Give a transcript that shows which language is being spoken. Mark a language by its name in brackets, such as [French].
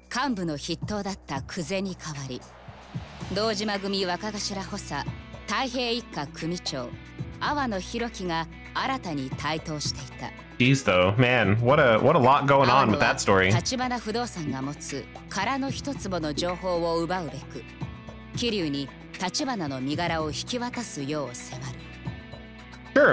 [Japanese] 幹部の筆頭だった久瀬に代わり、堂島組若頭補佐太平一家組長阿波野弘樹が新たに台頭していた。 [English] Jeez, though, man, what a lot going on with that story. [Japanese] 立花不動産が持つ殻の一坪の情報を奪うべく、桐生に立花の身柄を引き渡すよう迫る。